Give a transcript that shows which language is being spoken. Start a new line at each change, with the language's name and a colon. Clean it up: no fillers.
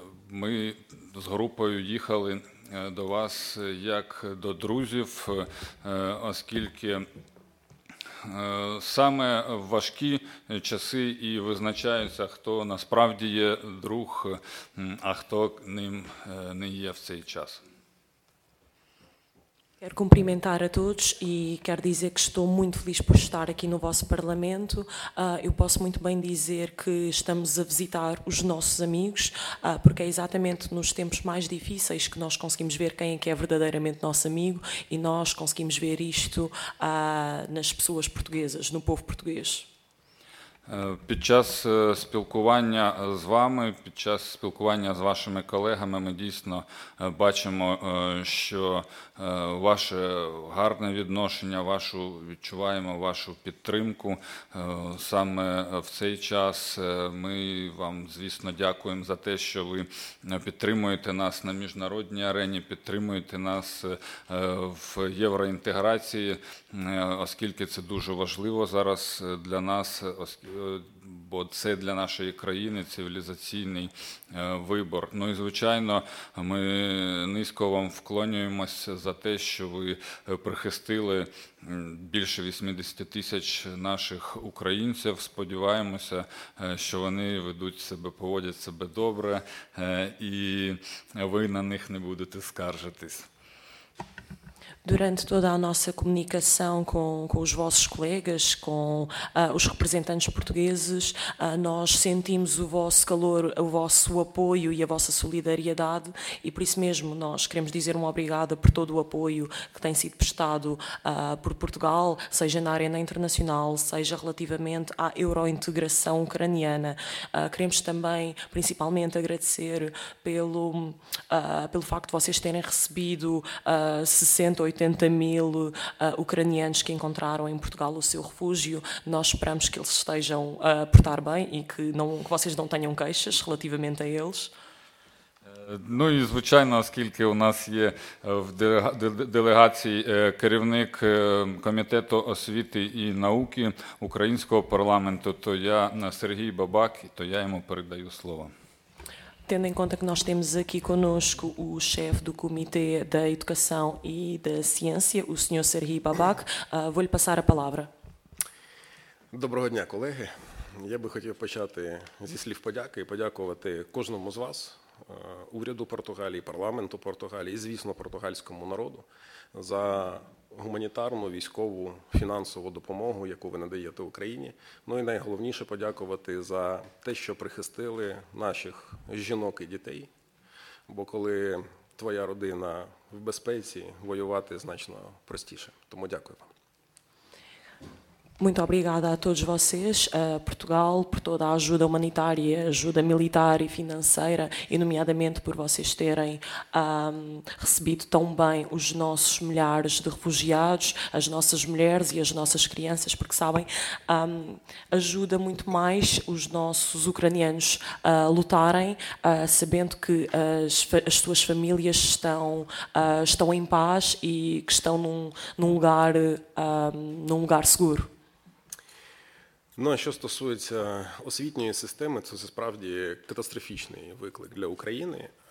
Ukrainian: Ми з групою їхали до вас як до друзів, оскільки саме в важкі часи і визначаються, хто насправді є друг, а хто ним не є в цей час.
Portuguese: Quero cumprimentar a todos e quero dizer que estou muito feliz por estar aqui no vosso Parlamento. Eu posso muito bem dizer que estamos a visitar os nossos amigos, porque é exatamente nos tempos mais difíceis que nós conseguimos ver quem é que é verdadeiramente nosso amigo, e nós conseguimos ver isto nas pessoas portuguesas, no povo português.
Ukrainian: Під час спілкування з вами, під час спілкування з вашими колегами, ми дійсно бачимо, що ваше гарне відношення, відчуваємо вашу підтримку. Саме в цей час ми вам, звісно, дякуємо за те, що ви підтримуєте нас на міжнародній арені, підтримуєте нас в євроінтеграції, оскільки це дуже важливо зараз для нас, бо це для нашої країни цивілізаційний вибор. Ну і, звичайно, ми низько вам вклонюємося за те, що ви прихистили більше 80 тисяч наших українців. Сподіваємося, що вони ведуть себе, поводять себе добре, і ви на них не будете скаржитись.
Portuguese: Durante toda a nossa comunicação com os vossos colegas, com os representantes portugueses, nós sentimos o vosso calor, o vosso apoio e a vossa solidariedade, e por isso mesmo nós queremos dizer um obrigado por todo o apoio que tem sido prestado por Portugal, seja na arena internacional, seja relativamente à eurointegração ucraniana. Queremos também, principalmente, agradecer pelo facto de vocês terem recebido 80 mil ucranianos que encontraram em Portugal o seu refúgio. Nós esperamos que eles estejam a portar bem e que vocês não tenham queixas relativamente a eles.
Ukrainian: Ну і, звичайно, оскільки у нас є в делегації керівник Комітету освіти і науки українського парламенту, то я, Сергій Бабак, то я йому передаю слово.
Portuguese: Tendo em conta que nós temos aqui connosco o chefe do Comitê da Educação e da Ciência, o Sr. Serhiy Babak, vou-lhe passar a palavra.
Ukrainian: Доброго дня, колеги. Я би хотів почати зі слів подяки і подякувати кожному з вас, уряду Португалії, парламенту Португалії і, звісно, португальському народу за гуманітарну, військову, фінансову допомогу, яку ви надаєте Україні. Ну і найголовніше подякувати за те, що прихистили наших жінок і дітей, бо коли твоя родина в безпеці, воювати значно простіше. Тому дякую вам.
Portuguese: Muito obrigada a todos vocês, a Portugal, por toda a ajuda humanitária, ajuda militar e financeira, e nomeadamente por vocês terem recebido tão bem os nossos milhares de refugiados, as nossas mulheres e as nossas crianças, porque sabem, ajuda muito mais os nossos ucranianos a lutarem, sabendo que as suas famílias estão em paz e que estão num lugar seguro.
Ukrainian: Ну, а що стосується освітньої системи, це справді катастрофічний виклик для України.